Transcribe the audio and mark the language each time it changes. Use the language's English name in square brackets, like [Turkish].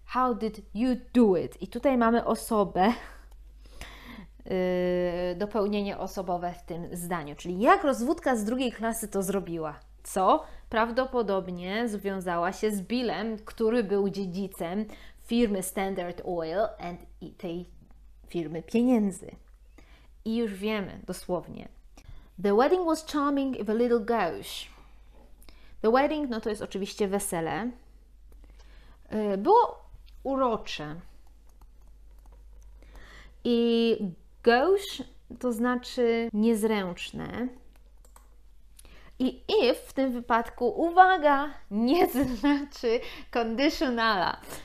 [English] How did you do it? [Polish] I tutaj mamy osobę, dopełnienie osobowe w tym zdaniu. Czyli jak rozwódka z drugiej klasy to zrobiła? Co? Prawdopodobnie związała się z Billem, który był dziedzicem firmy Standard Oil i tej firmy pieniędzy. I już wiemy dosłownie. [English] The wedding was charming if a little gauche. The wedding, [Polish] no to jest oczywiście wesele. Było urocze. I gauche to znaczy niezręczne. I if w tym wypadku, uwaga, nie znaczy conditionala.